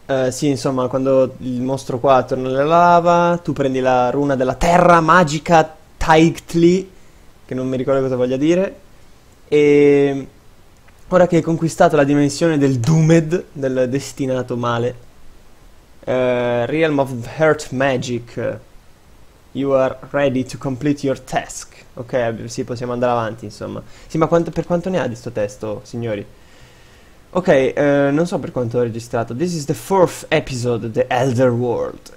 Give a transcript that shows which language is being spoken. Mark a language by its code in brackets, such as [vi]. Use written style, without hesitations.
[it] Sì, insomma, quando il mostro qua torna nella lava, tu prendi la runa della terra magica Taigtli, che non mi ricordo cosa voglia dire. E ora che hai conquistato la dimensione del Doomed, del destinato male. [en] Realm of Hurt Magic. You are ready to complete your task. [it] Ok, sì, possiamo andare avanti, insomma. Sì, ma per quanto ne ha di sto testo, signori? Ok, non so per quanto ho registrato. [en] This is the fourth episode of The Elder World.